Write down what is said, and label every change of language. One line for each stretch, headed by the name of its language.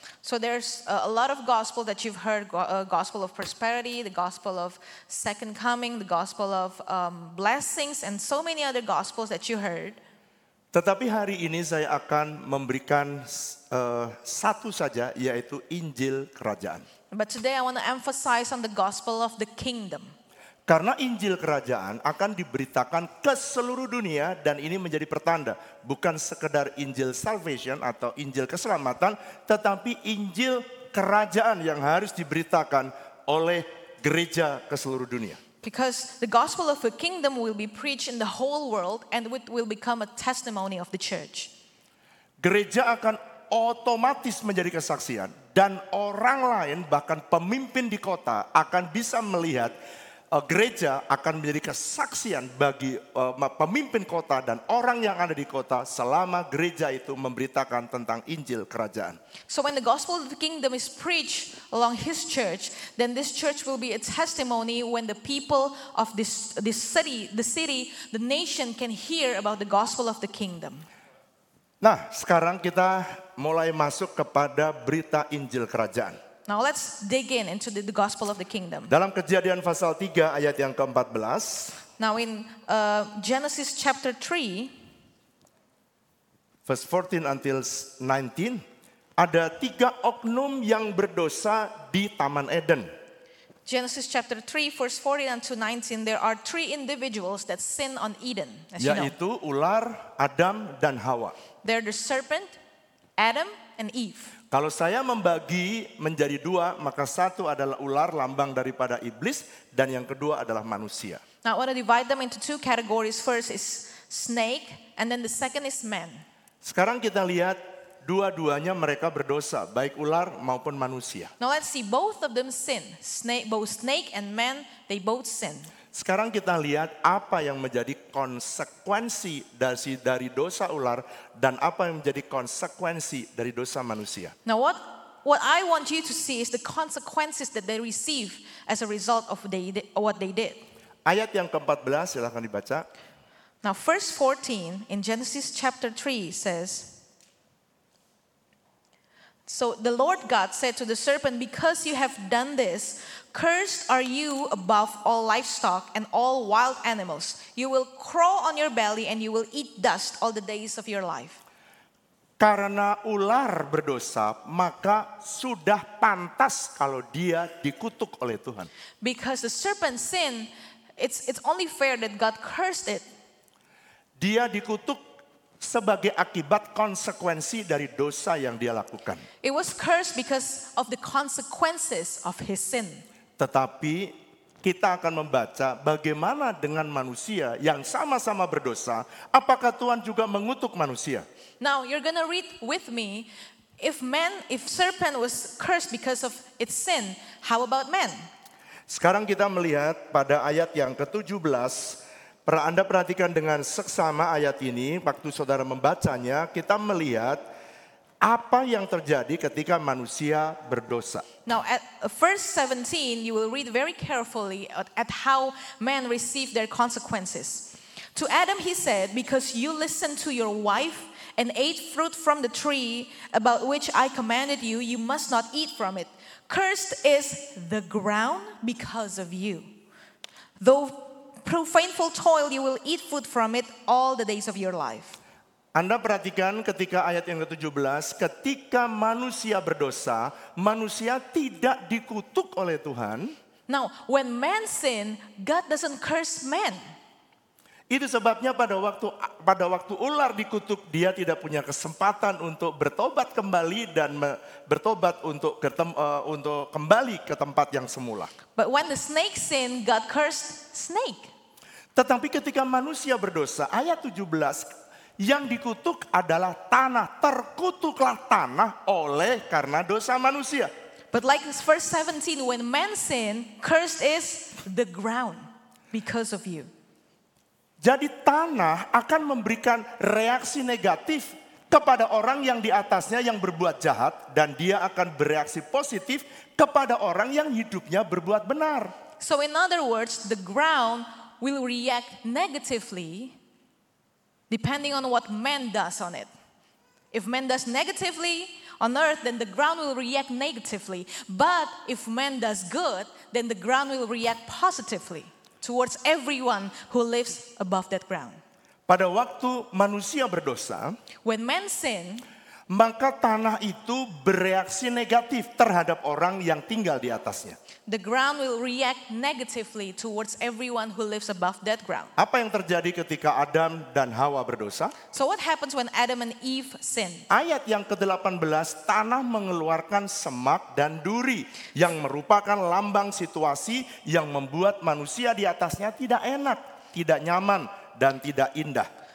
English: So there's a lot of gospel that you've heard, gospel of prosperity, the gospel of second coming, the gospel of blessings, and so many other gospels that you heard.
Indonesian: Tetapi hari ini saya akan memberikan satu saja, yaitu Injil Kerajaan.
English: But today I want to emphasize on the gospel of the kingdom.
Indonesian: Karena Injil Kerajaan akan diberitakan ke seluruh dunia dan ini menjadi pertanda. Bukan sekedar Injil Salvation atau Injil Keselamatan, tetapi Injil Kerajaan yang harus diberitakan oleh gereja ke seluruh dunia.
English: Because the gospel of the kingdom will be preached in the whole world and it will become a testimony of the church.
Indonesian: Gereja akan otomatis menjadi kesaksian dan orang lain bahkan pemimpin di kota akan bisa melihat gereja akan menjadi kesaksian bagi pemimpin kota dan orang yang ada di kota selama gereja itu memberitakan tentang Injil Kerajaan.
English: So when the gospel of the kingdom is preached along his church, then this church will be a testimony when the people of this city, the nation can hear about the gospel of the kingdom.
Indonesian: Nah, sekarang kita mulai masuk kepada berita Injil Kerajaan.
English: Now let's dig in into the gospel of the kingdom.
Indonesian: Dalam Kejadian pasal 3 ayat yang ke-14.
English: Now in Genesis chapter 3 verse 14 until 19
Indonesian: ada 3 oknum yang berdosa di Taman Eden.
English: Genesis chapter 3 verse 14 until 19 there are 3 individuals that sin on Eden.
Indonesian: Yaitu ular, Adam dan Hawa.
English: They're the serpent, Adam and Eve.
Indonesian: Kalau saya membagi menjadi dua, maka satu adalah ular lambang daripada iblis dan yang kedua adalah manusia.
English: Now I want to divide them into two categories. First is snake and then the second is man.
Indonesian: Sekarang kita lihat dua-duanya mereka berdosa, baik ular maupun manusia.
English: Now let's see, both of them sin. Both snake and man, they both sin.
Indonesian: Sekarang kita lihat apa yang menjadi konsekuensi dari dosa ular dan apa yang menjadi konsekuensi dari dosa manusia.
English: Now what I want you to see is the consequences that they receive as a result of what they did.
Indonesian: Ayat yang ke-14 silakan dibaca.
English: Now verse 14 in Genesis chapter 3 says, So the Lord God said to the serpent, because you have done this, cursed are you above all livestock and all wild animals. You will crawl on your belly and you will eat dust all the days of your life.
Indonesian: Karena ular berdosa, maka sudah pantas kalau dia dikutuk oleh Tuhan.
English: Because the serpent sinned, it's only fair that God cursed it.
Indonesian: Dia dikutuk sebagai akibat konsekuensi dari dosa yang dia lakukan.
English: It was cursed because of the consequences of his sin.
Indonesian: Tetapi kita akan membaca bagaimana dengan manusia yang sama-sama berdosa, apakah Tuhan juga mengutuk manusia?
English: Now you're going to read with me, if serpent was cursed because of its sin, how about man?
Indonesian: Sekarang kita melihat pada ayat yang ke-17. Anda perhatikan dengan seksama ayat ini, waktu saudara membacanya, kita melihat apa yang terjadi ketika manusia berdosa.
English: Now at verse 17, you will read very carefully at how man received their consequences. To Adam he said, because you listened to your wife and ate fruit from the tree about which I commanded you, you must not eat from it. Cursed is the ground because of you. Though through painful toil you will eat food from it all the days of your life.
Indonesian: Anda perhatikan ketika ayat yang ke-17, ketika manusia berdosa, manusia tidak dikutuk oleh Tuhan.
English: Now, when man sin, God doesn't curse man.
Indonesian: Itu sebabnya pada waktu ular dikutuk, dia tidak punya kesempatan untuk bertobat kembali dan bertobat untuk kembali ke tempat yang semula.
English: But when the snake sin, God cursed snake.
Indonesian: Tetapi ketika manusia berdosa, ayat 17, yang dikutuk adalah tanah. Terkutuklah tanah oleh karena dosa manusia.
English: But like this verse 17, when man sin, cursed is the ground because of you.
Indonesian: Jadi tanah akan memberikan reaksi negatif kepada orang yang di atasnya yang berbuat jahat, dan dia akan bereaksi positif kepada orang yang hidupnya berbuat benar.
English: So in other words, the ground will react negatively depending on what man does on it. If man does negatively on earth, then the ground will react negatively. But if man does good, then the ground will react positively towards everyone who lives above that ground.
Indonesian: Pada waktu manusia berdosa,
English: when man sin,
Indonesian: maka tanah itu bereaksi negatif terhadap orang yang tinggal di atasnya.
English: The ground will react negatively towards everyone who lives above that ground.
Indonesian: Apa yang terjadi ketika Adam dan Hawa berdosa?
English: So what happens when Adam and Eve sin?
Indonesian: Ayat yang ke-18, tanah mengeluarkan semak dan duri yang merupakan lambang situasi yang membuat manusia di atasnya tidak enak, tidak nyaman, dan tidak indah.